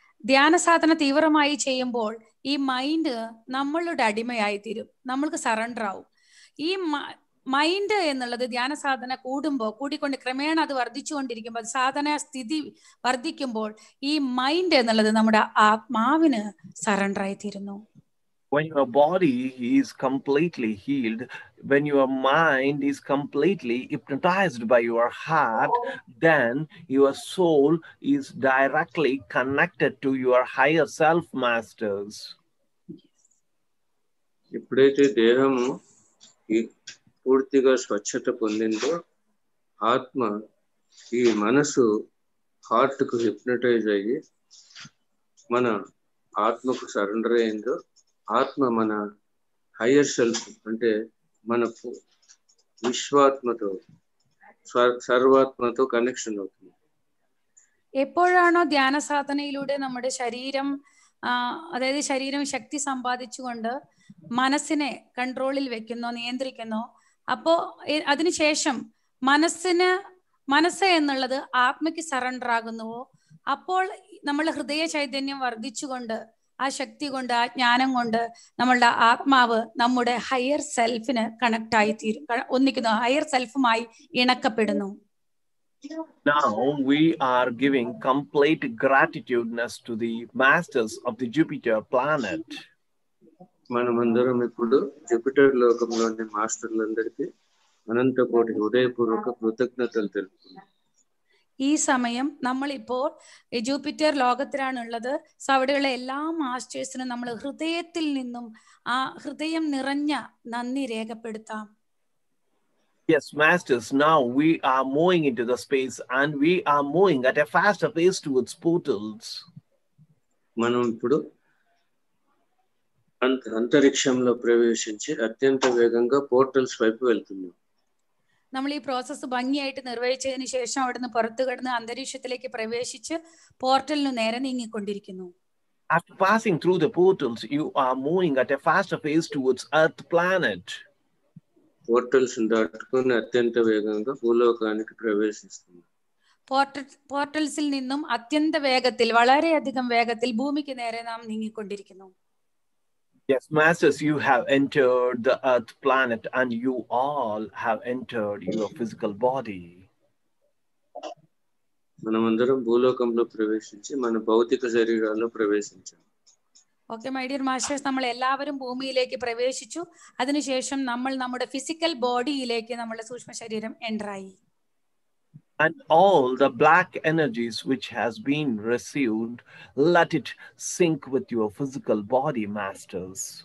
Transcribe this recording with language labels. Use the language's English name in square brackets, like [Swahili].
[Malayalam] ധ്യാന സാധന തീവ്രമായി ചെയ്യുമ്പോൾ ഈ മൈൻഡ് നമ്മളുടെ അടിമയായി തീരും, നമ്മൾക്ക് സറണ്ടർ ആവും. ഈ മൈൻഡ് എന്നുള്ളത് ധ്യാന സാധന കൂടുമ്പോൾ കൂടിക്കൊണ്ട് ക്രമേണ അത് വർദ്ധിച്ചുകൊണ്ടിരിക്കുമ്പോൾ, സാധന സ്ഥിതി വർദ്ധിക്കുമ്പോൾ ഈ മൈൻഡ് എന്നുള്ളത് നമ്മുടെ ആത്മാവിന് സറണ്ടർ ആയി തീരുന്നു. [English] When your body is completely healed, when your mind is completely hypnotized by your heart, then your soul is directly connected to your higher self, masters. [Telugu] ఎప్పుడైతే దేహం పూర్తిగా స్వచ్ఛత పొందిందో ఆత్మ ఈ మనసు హార్ట్ కు హిప్నటైజ్ అయ్యి మన ఆత్మకు సరెండర్ అయ్యిందో ఆత్మ మన హయ్యర్ సెల్ఫ్ అంటే మన విశ్వాత్మతో సర్వాత్మతో కనెక్షన్ అవుతుంది. ఎప్పుడానో [Malayalam] ధ్యాన సాధనയിലൂടെ നമ്മുടെ ശരീരം, അതായത് ശരീരം ശക്തി സമ്പാദിച്ചുകൊണ്ട് മനസ്സിനെ കൺട്രോളിൽ വെക്കുന്നു, നിയന്ത്രിക്കുന്നു. അപ്പോ അതിനുശേഷം മനസ്സ് എന്നുള്ളത് ആത്മയ്ക്ക് സറണ്ടർ ആകുന്നുവോ, അപ്പോൾ നമ്മൾ ഹൃദയ ചൈതന്യം വർദ്ധിച്ചുകൊണ്ട് ആ ശക്തി കൊണ്ട്, ആ ജ്ഞാനം കൊണ്ട് നമ്മളുടെ ആത്മാവ് നമ്മുടെ ഹയർ സെൽഫിന് കണക്റ്റായി തീരും, ഒന്നിക്കുന്നു, higher സെൽഫുമായി ഇണക്കപ്പെടുന്നു. [English] Now we are giving complete gratitudeness to the masters of the Jupiter planet. [Telugu] మనమందరం ఇప్పుడు జూపిటర్ లోకంలోని మాస్టర్లందరికి అనంత కోటి హృదయపూర్వక కృతజ్ఞతలు తెలుపుతున్నాం. [Malayalam] ഈ സമയം നമ്മളിപ്പോൾ ജൂപ്പിറ്റർ ലോകത്തിലാണുള്ളത്. സോ അവിടെയുള്ള എല്ലാ മാസ്റ്റേഴ്സിനും നമ്മൾ ഹൃദയത്തിൽ നിന്നും ആ ഹൃദയം നിറഞ്ഞ നന്ദി രേഖപ്പെടുത്താം. [English] Yes, masters, now we are moving into the space and we are moving at a faster pace towards portals. [Telugu] మనం ఇప్పుడు అంతరిక్షంలో ప్రవేశించి అత్యంత వేగంగా పోర్టల్స్ వైపు వెళ్తున్నాం. [Malayalam] നമ്മൾ ഈ പ്രോസസ്സ് ഭംഗിയായിട്ട് നിർവഹിച്ചതിന് ശേഷം അവിടുന്ന് പുറത്തു കടന്ന് അന്തരീക്ഷത്തിലേക്ക് പ്രവേശിച്ച് പോർട്ടലിന് നേരെ നീങ്ങിക്കൊണ്ടിരിക്കുന്നു. [English] After passing through the portals, you are moving at a faster pace towards Earth planet. [Malayalam] Portals ദാട്ടുകൊണ്ട് അത്യന്ത വേഗത്തിൽ ഭൂലോകാനിക്ക് പ്രവേശിക്കുന്നു. പോർട്ടൽസിൽ നിന്നും അത്യന്ത വേഗത്തിൽ, വളരെയധികം വേഗത്തിൽ ഭൂമിക്ക് നേരെ നാം നീങ്ങിക്കൊണ്ടിരിക്കുന്നു. [English] Yes, masters, you have entered the earth planet and you all have entered your physical body. [Telugu] మనమందరం భూలోకంలో ప్రవేశించి మన భౌతిక శరీరాల్లో ప్రవేశించాం. [English] okay my dear masters, [Malayalam] നമ്മൾ എല്ലാവരും ഭൂമിയിലേക്ക് പ്രവേശിച്ചു. അതിനുശേഷം നമ്മൾ നമ്മുടെ ഫിസിക്കൽ ബോഡിയിലേക്ക് നമ്മുടെ സൂക്ഷ്മ ശരീരം എൻ്റർ ആയി. [English] And all the black energies which has been received, let it sink with your physical body, masters.